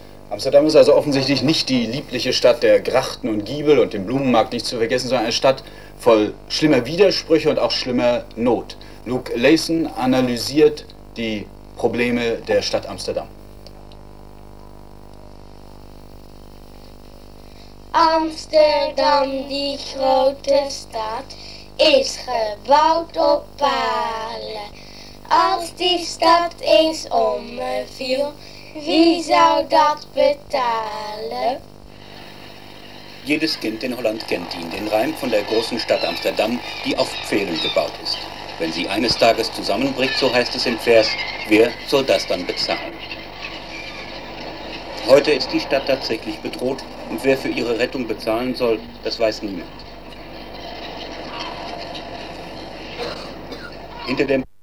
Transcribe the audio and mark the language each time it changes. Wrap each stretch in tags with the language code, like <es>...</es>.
<de>Amsterdam ist also offensichtlich nicht die liebliche Stadt der Grachten und Giebel und dem Blumenmarkt, nicht zu vergessen, sondern eine Stadt voll schlimmer Widersprüche und auch schlimmer Not. Luke Leysen analysiert die Probleme der Stadt Amsterdam.</de> <nl>Amsterdam, die grote stad, is gebouwd op palen. Als die stad eens omviel, wie zou dat betalen?</nl> <de>Jedes Kind in Holland kennt ihn, den Reim von der großen Stadt Amsterdam, die auf Pfählen gebaut ist. Wenn sie eines Tages zusammenbricht, so heißt es im Vers, wer soll das dann bezahlen? Heute ist die Stadt tatsächlich bedroht. Und wer für ihre Rettung bezahlen soll, das weiß niemand. Hinter dem</de>